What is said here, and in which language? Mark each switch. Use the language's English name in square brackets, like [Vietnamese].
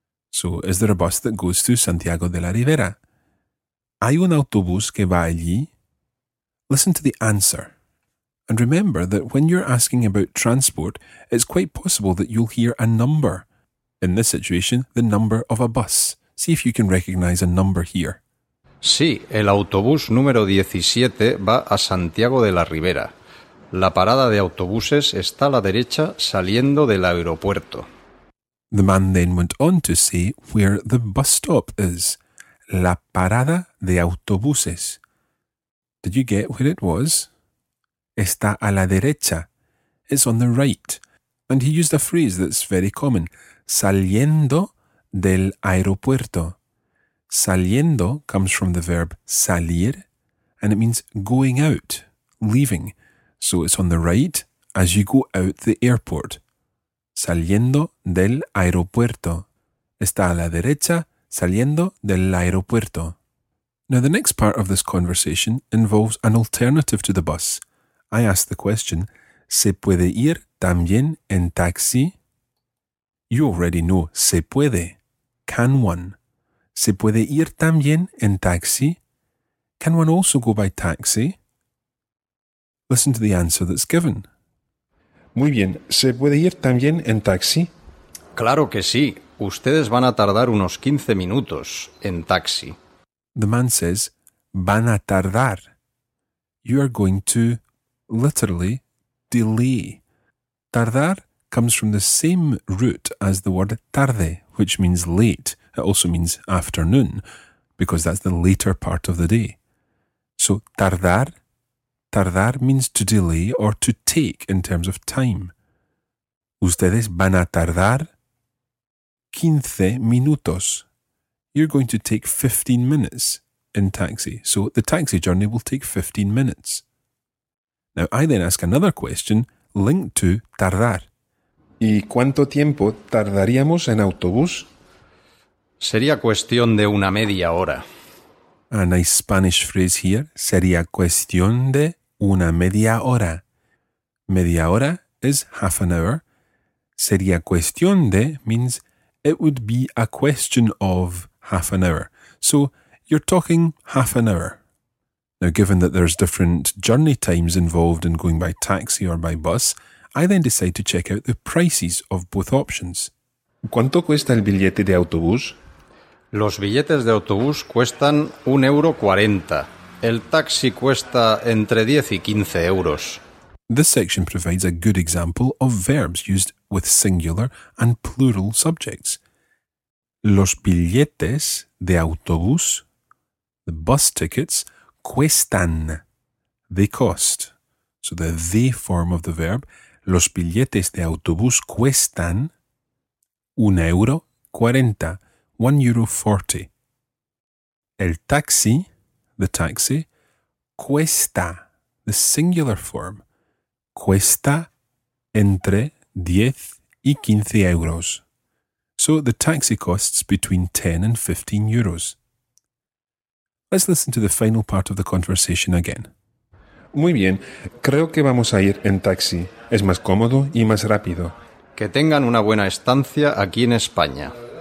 [English] So is there a bus that goes to Santiago de la Ribera? [Spanish] ¿Hay un autobús que va allí? [English] Listen to the answer. And remember that when you're asking about transport, it's quite possible that you'll hear a number. In this situation, the number of a bus. See if you can recognize a number here. [Spanish] Sí, el autobús número 17 va a Santiago de la Ribera. La parada de autobuses está a la derecha saliendo del aeropuerto. [English] The man then went on to say where the bus stop is. [Spanish] La parada de autobuses. [English] Did you get where it was? [Spanish] Está a la derecha. [English] It's on the right. And he used a phrase that's very common. [Spanish] Saliendo del aeropuerto. [English] Saliendo comes from the verb salir, and it means going out, leaving. So it's on the right as you go out the airport. [Spanish] Saliendo del aeropuerto. Está a la derecha, saliendo del aeropuerto. [English] Now the next part of this conversation involves an alternative to the bus. I asked the question, [Spanish] ¿se puede ir también en taxi? [English] You already know, [Spanish] se puede. [English] Can one? [Spanish] ¿Se puede ir también en taxi? [English] Can one also go by taxi? Listen to the answer that's given. [Spanish] Muy bien, ¿se puede ir también en taxi? Claro que sí. Ustedes van a tardar unos 15 minutos en taxi. [English] The man says, [Spanish] van a tardar. [English] You are going to, literally, delay. Tardar comes from the same root as the word tarde, which means late. It also means afternoon, because that's the later part of the day. So tardar, tardar means to delay or to take in terms of time. [Spanish] Ustedes van a tardar 15 minutos. [English] You're going to take 15 minutes in taxi, so the taxi journey will take 15 minutes. Now, I then ask another question linked to tardar. [Spanish] ¿Y cuánto tiempo tardaríamos en autobús? Sería cuestión de una media hora. [English] A nice Spanish phrase here. [Spanish] Sería cuestión de una media hora. [English] Media hora is half an hour. [Spanish] Sería cuestión de [English] means it would be a question of half an hour. So you're talking half an hour. Now, given that there's different journey times involved in going by taxi or by bus, I then decide to check out the prices of both options. [Spanish] ¿Cuánto cuesta el billete de autobús? Los billetes de autobús cuestan 1,40 €. El taxi cuesta entre 10 y 15 euros. [English] This section provides a good example of verbs used with singular and plural subjects. [Spanish] Los billetes de autobús, [English] the bus tickets, [Spanish] cuestan, [English] they cost. So the form of the verb, [Spanish] los billetes de autobús cuestan 1,40 €, [English] 1,40 €. [Spanish] El taxi, [English] the taxi, [Spanish] cuesta, [English] the singular form, [Spanish] cuesta entre 10 y 15 euros. [English] So the taxi costs between 10 and 15 euros. Let's listen to the final part of the conversation again. [Spanish] Muy bien, creo que vamos a ir en taxi. Es más cómodo y más rápido. Que tengan una buena estancia aquí en España.